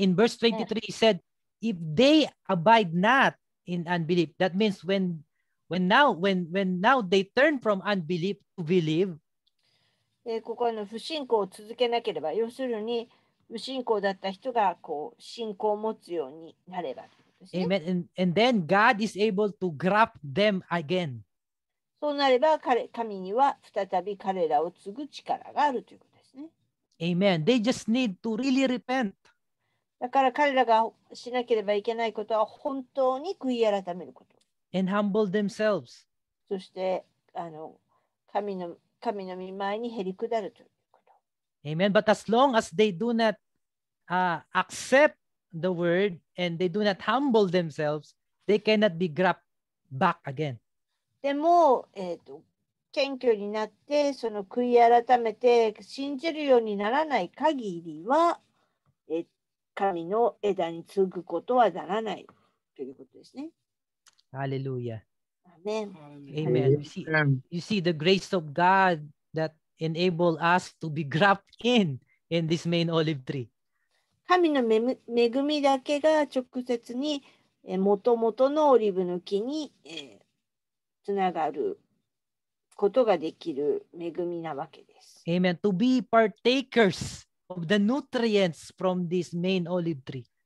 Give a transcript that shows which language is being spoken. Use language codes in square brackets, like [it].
[en] In verse 23, he said, if they abide not in unbelief, that means when now they turn from unbelief to believe. [ja] ここは不信仰を続けなければ、要するに不信仰だった人がこう信仰を持つようになれば。 [en] Amen. And then God is able to graft them again. [ja] そうなれば神には再び彼らを継ぐ力があるということですね。 [en] Amen. They just need to really repent. [ja] だから彼らがしなければいけないことは本当に悔い改めること。 [en] And humble themselves. [ja] そして神の御前にへり下るということ。 [en] Amen. But as long as they do not accept the word,And they do not humble themselves, they cannot be grabbed back again. [ja] でも、謙虚になって、その悔い改めて信じるようにならない限りは、神の枝に継ぐことはならないということですね。 [en] Hallelujah. Amen. Amen. You see the grace of God that enabled us to be grabbed in this main olive tree. [ja] 神の恵みだけが直接にもともとのオリブの木につながることができる恵みなわけです。 [en] Amen. To be partakers of the nutrients from this main olive tree.